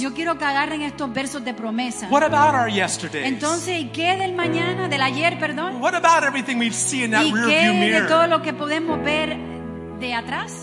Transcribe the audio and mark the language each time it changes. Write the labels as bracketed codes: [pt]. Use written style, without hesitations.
[es] Yo quiero que agarren estos versos de promesa. [en] What about our yesterdays? [es] Entonces, ¿qué del mañana, del ayer, perdón? [en] What about everything we see in that rearview mirror? [es] ¿Y qué de todo lo que podemos ver de atrás?